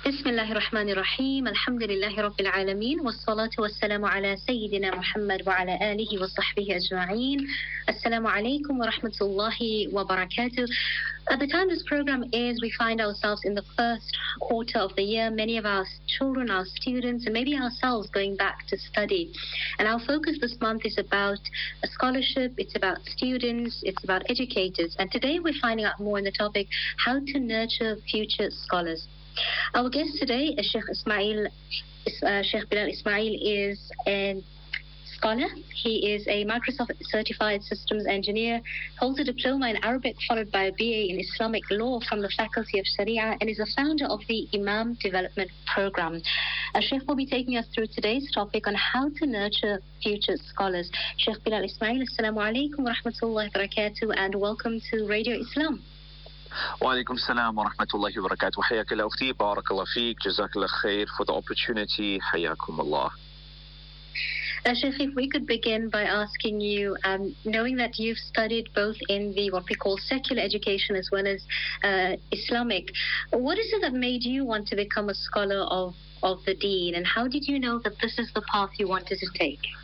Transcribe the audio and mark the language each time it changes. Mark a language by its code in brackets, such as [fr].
[ar] بسم الله الرحمن الرحيم الحمد لله رب العالمين والصلاة والسلام على سيدنا محمد وعلى آله وصحبه أجمعين السلام عليكم ورحمة الله وبركاته. [en] At the time this program airs, we find ourselves in the first quarter of the year. Many of our children, our students, and maybe ourselves going back to study. And our focus this month is about a scholarship, it's about students, it's about educators. And today we're finding out more in the topic, how to nurture future scholars. Our guest today, Shaukh Bilal Ismail, is a scholar. He is a Microsoft Certified Systems Engineer, holds a diploma in Arabic followed by a BA in Islamic Law from the Faculty of Sharia, and is a founder of the Imam Development Program. Shaukh will be taking us through today's topic on how to nurture future scholars. Shaukh Bilal Ismail, [ar] assalamu alaikum wa rahmatullahi wa barakatuh, [en] and welcome to Radio Islam. [ar] وعليكم السلام ورحمة الله وبركاته وحياك الله أختي بارك الله فيك جزاك الله خير [en] for the opportunity [ar] حياكم الله. [en] Shaykh, if we could begin by asking you, knowing that you've studied both in the what we call secular education as well as Islamic, what is it that made you want to become a scholar of the Deen, and how did you know that this is the path you wanted to take?